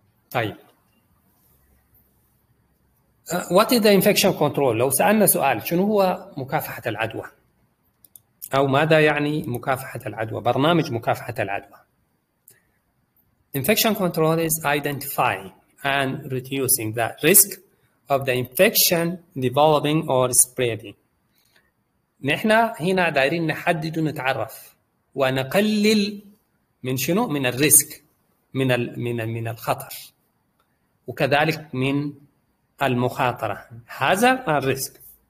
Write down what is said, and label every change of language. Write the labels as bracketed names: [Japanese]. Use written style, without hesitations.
[Arabic] طيب، [English] what is the infection control؟ [Arabic] لو سألنا سؤال شنو هو مكافحة العدوى؟ أو ماذا يعني مكافحة العدوى؟ برنامج مكافحة العدوى. [English] Infection control is identifying and reducing the risk of the infection developing or spreading. [Arabic] نحن هنا دايرين نحدد ونتعرف ونقلل من شنو؟ من الريسك، من الخطر، وكذلك من المخاطرة. هذا الريسك.